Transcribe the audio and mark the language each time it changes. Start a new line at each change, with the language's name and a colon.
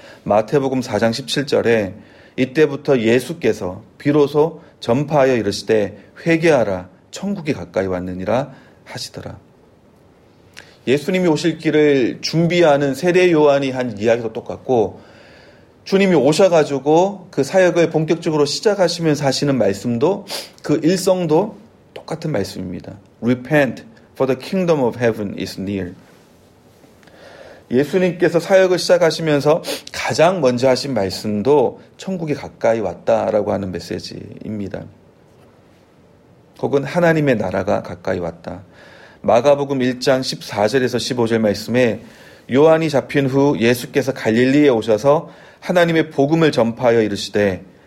Korean: 마태복음 4장 17절에 이때부터 예수께서 비로소 전파하여 이르시되, 회개하라, 천국이 가까이 왔느니라 하시더라. 예수님이 오실 길을 준비하는 세례 요한이 한 이야기도 똑같고, 주님이 오셔가지고 그 사역을 본격적으로 시작하시면서 하시는 말씀도, 그 일성도 똑같은 말씀입니다.
English: Repent, for the kingdom of heaven is near.
Korean: 예수님께서 사역을 시작하시면서 가장 먼저 하신 말씀도 천국이 가까이 왔다라고 하는 메시지입니다. 혹은 하나님의 나라가 가까이 왔다. 마가복음 1장 14절에서 15절 말씀에 요한이 잡힌 후 예수께서 갈릴리에 오셔서 하나님의 복음을 전파하여 이르시되,